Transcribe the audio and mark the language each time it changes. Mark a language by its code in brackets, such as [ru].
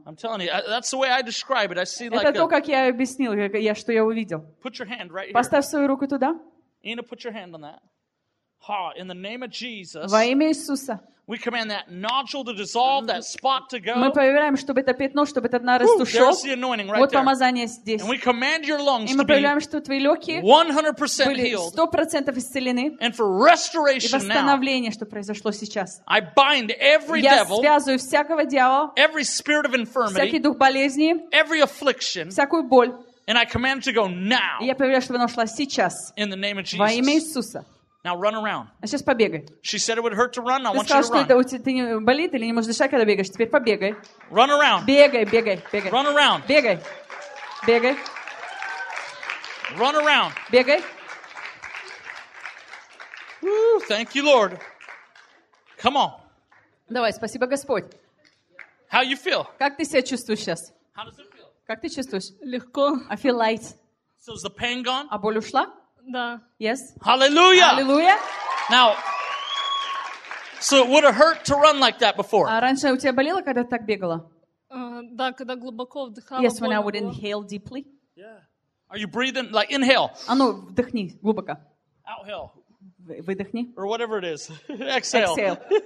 [en] I'm telling you, that's the way I describe it. I see [ru] это [en] like [ru] это то, как я объяснил, что я увидел. [en] Put your hand right [ru] поставь Поставь свою руку туда. [en] Ina, put your hand on that. Ha, in the name of Jesus. [ru] Во имя Иисуса. [en] We command that nodule to dissolve, that spot to go. [ru] Мы повелеваем, чтобы это пятно, чтобы этот нарост ушел. [en] There's the anointing right [ru] there. Вот помазание здесь. [en] And we command your lungs to be. [ru] И мы повелеваем, что твои легкие 100% были 100% исцелены. [en] And for restoration now. [ru] И восстановление, что произошло сейчас. [en] I bind every devil. [ru] Я связываю всякого дьявола. [en] Every spirit of infirmity. [ru] Всякий дух болезни. [en] Every affliction. [ru] Всякую боль. [en] And I command to go now. [ru] Я повелеваю, чтобы она ушла сейчас. [en] In the name of Jesus. [ru] Во имя Иисуса. [en] Now run around. [ru] А сейчас побегай. [en] She said it would hurt to run. I [ru] ты [en] want [ru] сказал, [en] you to run. [ru] Ты сказал, что это у тебя болит или не можешь дышать, когда бегаешь. Теперь побегай. [en] Run around. [ru] Бегай, бегай, бегай. [en] Run around. [ru] Бегай, бегай. [en] Run around. [ru] Бегай. [en] Woo, thank you, Lord. Come on. [ru] Давай, спасибо, Господь. [en] How you feel? [ru] Как ты себя чувствуешь сейчас? [en] How does it feel? [ru] Как ты чувствуешь? Легко. [en] I feel light. So is the pain gone? [ru] А боль ушла? Да. [en] Yes. Hallelujah. Hallelujah. Now, so it would have hurt to run like that before. [ru] А раньше у тебя болело, когда ты так бегала? Да, когда глубоко вдыхала. [en] Yes, when I would inhale deeply. Yeah. Are you breathing like inhale? [ru] А ну вдохни глубоко. [en] Outhale. [ru] Выдохни. [en] Or whatever it is. Exhale. Exhale.